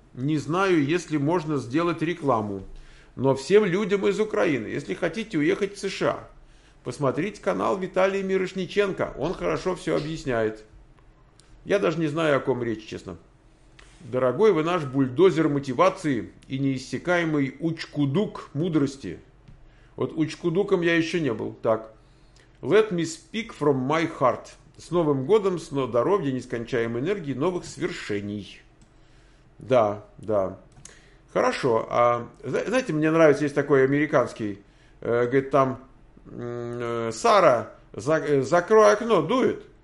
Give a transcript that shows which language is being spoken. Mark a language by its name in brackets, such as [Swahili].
[Russian] Не знаю, если можно сделать рекламу, но всем людям из Украины, если хотите уехать в США, посмотрите канал Виталия Мирошниченко. Он хорошо все объясняет. Я даже не знаю, о ком речь, честно. Дорогой вы наш бульдозер мотивации и неиссякаемый учкудук мудрости. Вот учкудуком я еще не был. Так. [English] Let me speak from my heart. [Russian] С Новым годом, с здоровья, нескончаемой энергии, новых свершений. Да, да. Хорошо. А знаете, мне нравится, есть такой американский. Говорит там, Сара, закрой окно, [English] do it.